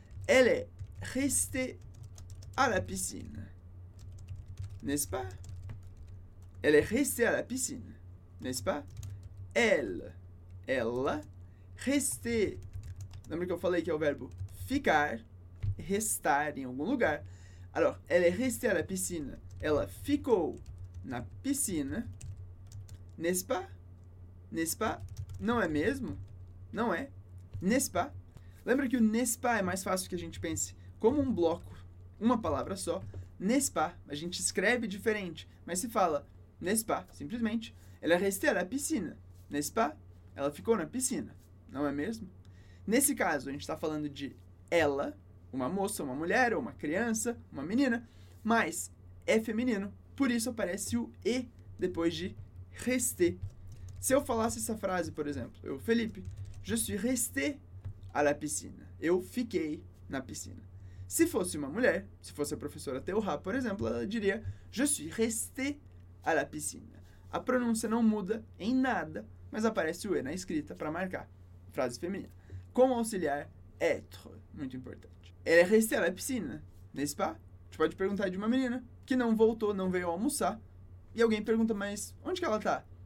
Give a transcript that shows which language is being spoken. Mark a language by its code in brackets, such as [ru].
[fr] Elle est restée à la piscine. N'est-ce pas? Elle est restée à la piscine. N'est-ce pas? [pt] Ela, [fr] restée. [pt] Lembra que eu falei que é o verbo ficar, restar em algum lugar? Alors, [fr] elle est restée à la piscine. [pt] Ela ficou na piscina, [fr] n'est-ce pas? N'est-ce pas? [pt] Não é mesmo? Não é? [fr] N'est-ce pas? [pt] Lembra que o [fr] n'est-ce pas [pt] é mais fácil que a gente pense como um bloco, uma palavra só. [fr] N'est-ce pas? [pt] A gente escreve diferente, mas se fala [fr] n'est-ce pas, [pt] simplesmente. [fr] Elle est restée à la piscine, n'est-ce pas? [pt] Ela ficou na piscina, não é mesmo? Nesse caso, a gente está falando de ela, uma moça, uma mulher, ou uma criança, uma menina, mas é feminino, por isso aparece o E depois de resté. Se eu falasse essa frase, por exemplo, eu, Felipe, [fr] je suis resté à la piscine. [pt] Eu fiquei na piscina. Se fosse uma mulher, se fosse a professora Théorat, por exemplo, ela diria [fr] je suis resté à la piscine. [pt] A pronúncia não muda em nada, mas aparece o E na escrita para marcar frase feminina. Com o auxiliar être, muito importante. [fr] Elle est restée à la piscine, n'est-ce pas? [pt] Tu pode perguntar de uma menina que não voltou, não veio almoçar. E alguém pergunta, mas onde que ela tá?